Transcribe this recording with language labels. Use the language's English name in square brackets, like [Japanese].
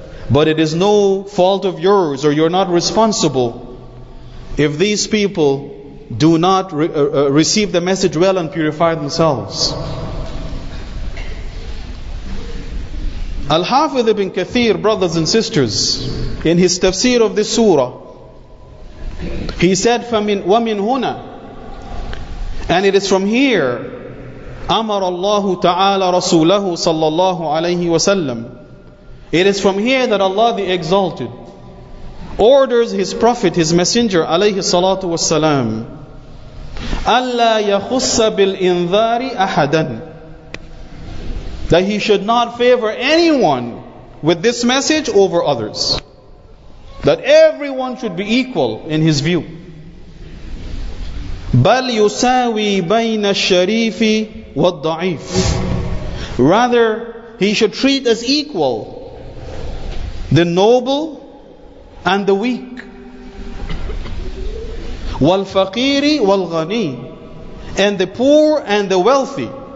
[English] But it is no fault of yours, or you're not responsible if these people do not receive the message well and purify themselves. Al-Hafidh ibn Kathir, brothers and sisters, in his tafsir of this surah, he said, [Arabic] وَمِنْ هُنَا. [English] And it is from here, [Arabic] أمر الله تعالى رسوله صلى الله عليه وسلم. [English] It is from here that Allah the Exalted orders His Prophet, His Messenger [Arabic] عليه الصلاة والسلام, ألا يخص بالإنذار أحدا, [English] that he should not favor anyone with this message over others, that everyone should be equal in his view. [Arabic] بل يساوي بين الشريف والضعيف. [English] Rather, he should treat as equal the noble and the weak. [Arabic] والفقير والغني, [English] and the poor and the wealthy.